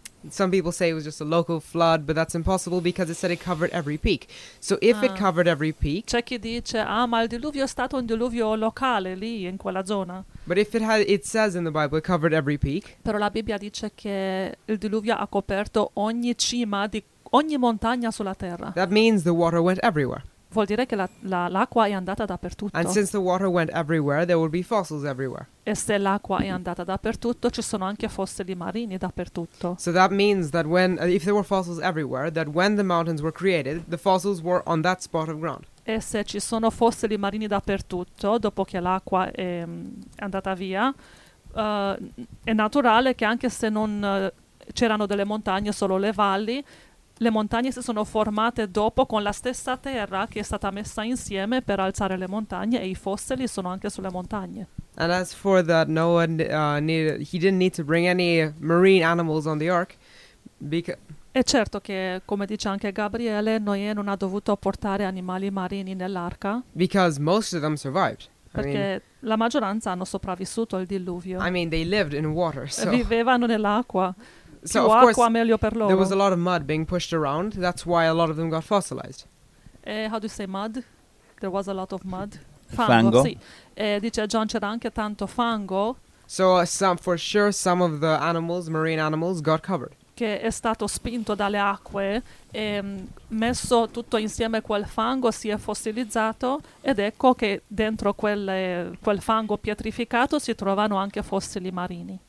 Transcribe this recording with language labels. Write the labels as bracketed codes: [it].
[en] some people say it was just a local flood, but that's impossible because it said it covered every peak. So if it covered every peak... [it] C'è chi dice, ma il diluvio è stato un diluvio locale lì, in quella zona. [en] But if it had, it says in the Bible it covered every peak. [it] Però la Bibbia dice che il diluvio ha coperto ogni cima di ogni montagna sulla terra. [en] That means the water went everywhere. [it] Vuol dire che l'acqua è andata dappertutto. [en] And since the water went everywhere, there would be fossils everywhere. [it] E se l'acqua è andata dappertutto, ci sono anche fossili marini dappertutto. [en] So that means that when, if there were fossils everywhere, that when the mountains were created, the fossils were on that spot of ground. [it] E se ci sono fossili marini dappertutto, dopo che l'acqua è andata via, è naturale che anche se non c'erano delle montagne, solo le valli, le montagne si sono formate dopo con la stessa terra che è stata messa insieme per alzare le montagne e i fossili sono anche sulle montagne. [en] And as for that, Noah he didn't need to bring any marine animals on the ark. [it] E certo che, come dice anche Gabriele, Noè non ha dovuto portare animali marini nell'arca. [en] Because most of them survived. [it] Perché la maggioranza hanno sopravvissuto al diluvio. [en] I mean, they lived in water, so. [it] Vivevano nell'acqua. [en] So [it] più [en] of course, [it] acqua, meglio per loro. [en] There was a lot of mud being pushed around. That's why a lot of them got fossilized. How do you say mud? There was a lot of mud. [it] Fango. Dice John, c'era anche tanto fango. [en] So some of the animals, marine animals, got covered. [it] Che è stato spinto dalle acque e messo tutto insieme quel fango, si è fossilizzato ed ecco che dentro quel fango pietrificato si trovano anche fossili marini.